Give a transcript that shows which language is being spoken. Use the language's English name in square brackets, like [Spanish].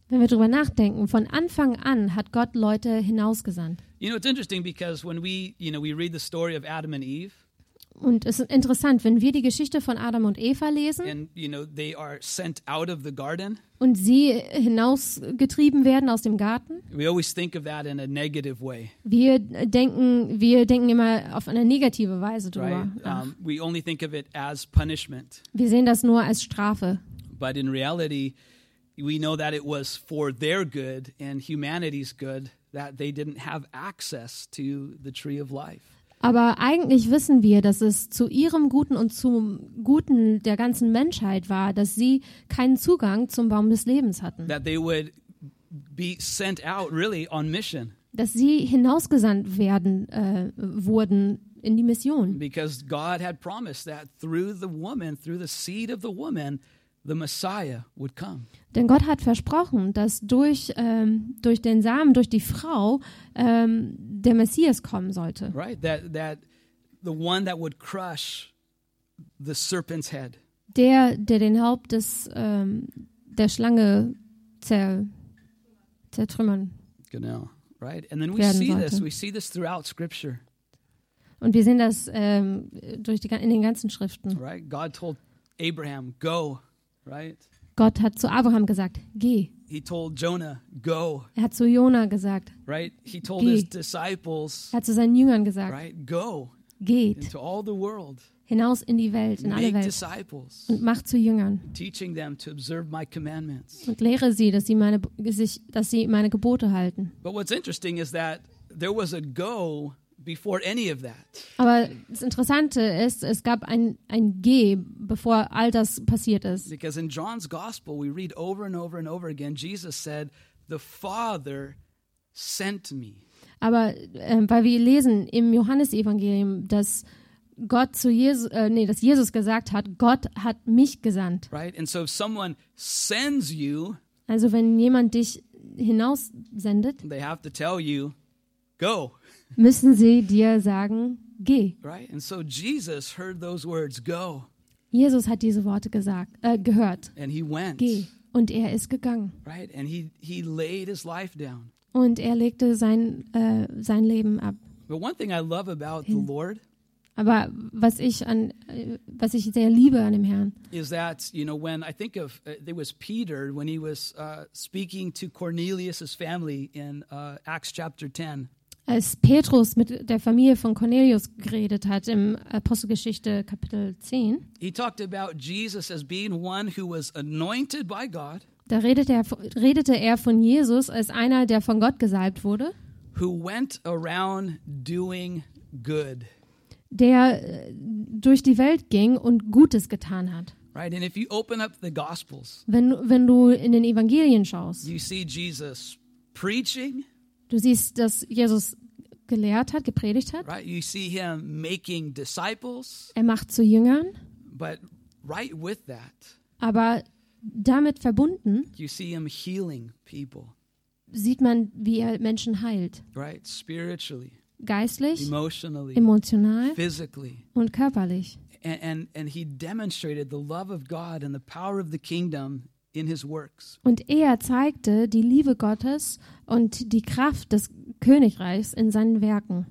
[German] Wenn wir drüber nachdenken, von Anfang an hat Gott Leute hinausgesandt. [English] You know, it's interesting because when we, you know, we read the story of Adam and Eve. [German] Und es ist interessant, wenn wir die Geschichte von Adam und Eva lesen. [English] And, you know, they are sent out of the garden. [German] Und sie hinausgetrieben werden aus dem Garten. [English] We always think of that in a negative way. [German] Wir denken immer auf eine negative Weise drüber. [English] Right? We only think of it as punishment. [German] Wir sehen das nur als Strafe. [English] But in reality, we know that it was for their good and humanity's good that they didn't have access to the tree of life. [German] Aber eigentlich wissen wir, dass es zu ihrem Guten und zum Guten der ganzen Menschheit war, dass sie keinen Zugang zum Baum des Lebens hatten. [English] That they would be sent out really on mission. [German] Dass sie hinausgesandt wurden in die Mission. [English] Because God had promised that through the woman, through the seed of the woman, the Messiah would come. [German] Denn Gott hat versprochen, dass durch den Samen, durch die Frau, der Messias kommen sollte. [English] Right, that the one that would crush the serpent's head. [German] Der den Haupt des der Schlange zertrümmern. [English] Genau, right. And then we see this throughout Scripture. [German] Und wir sehen das in den ganzen Schriften. [English] Right, God told Abraham, go. Right. [German] Gott hat zu Abraham gesagt, geh. [English] He told Jonah, go. [German] Er hat zu Jonah gesagt, [English] right? He told geh. His disciples, [German] er hat zu seinen Jüngern gesagt, [English] right? Go. [German] Geht. [English] Into all the world. [German] Hinaus in die Welt, in [English] Make [German] alle Welt. [English] Disciples. [German] Und macht zu Jüngern. [English] Teaching them to observe my commandments. [German] Und lehre sie, dass sie meine Gebote halten. [English] But what's interesting is that there was a go before any of that. [German] Aber das Interessante ist, es gab ein Geh, bevor all das passiert ist. [English] Because in John's Gospel we read over and over and over again, Jesus said, the Father sent me. [German] Aber weil wir lesen im Johannesevangelium, dass Jesus gesagt hat, Gott hat mich gesandt. [English] Right? And so if someone sends you, [German] also wenn jemand dich hinaussendet, [English] they have to tell you, go. [German] Müssen sie dir sagen, geh. [English] Right? And so Jesus heard those words, go. [German] Jesus hat diese Worte gehört. [English] And he went. [German] Geh. Und er ist gegangen. [English] Right? And he laid his life down. [German] Und er legte sein Leben ab. [English] But one thing I love about the Lord, [German] aber was ich sehr liebe an dem Herrn, [English] is that, you know, when I think of, there was Peter, when he was speaking to Cornelius' family in Acts chapter 10. [German] Als Petrus mit der Familie von Cornelius geredet hat im Apostelgeschichte Kapitel 10, [English] he talked about Jesus as being one who was anointed by God. [German] Da redete er von Jesus als einer, der von Gott gesalbt wurde, [English] who went around doing good. [German] Der durch die Welt ging und Gutes getan hat. [English] Right, and if you open up the Gospels, [German] wenn du in den Evangelien schaust, [English] you see Jesus preaching, [German] du siehst, dass Jesus gelehrt hat, gepredigt hat. [English] Right, you see him making disciples, [German] er macht zu Jüngern. [English] But right with that, [German] aber damit verbunden, [English] you see him healing people, [German] sieht man, wie er Menschen heilt. [English] Right, spiritually, [German] geistlich, [English] emotionally, [German] emotional, [English] physically, [German] und körperlich. [English] And he demonstrated the love of God and the power of the kingdom in his works. [German] Und er zeigte die Liebe Gottes und die Kraft des Königreichs in seinen Werken.